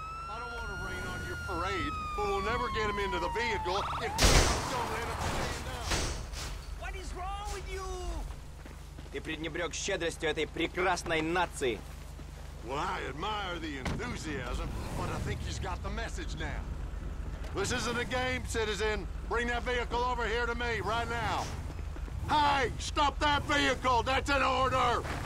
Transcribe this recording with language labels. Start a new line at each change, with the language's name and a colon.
English: I don't want to rain on your parade, but we'll never get him into the vehicle if we don't let him stand up. What is wrong with you?
Russian: Ты пренебрёг щедростью этой прекрасной нации.
English: Well, I admire the enthusiasm, but I think he's got the message now. This isn't a game, citizen. Bring that vehicle over here to me right now. Hey, stop that vehicle! That's an order!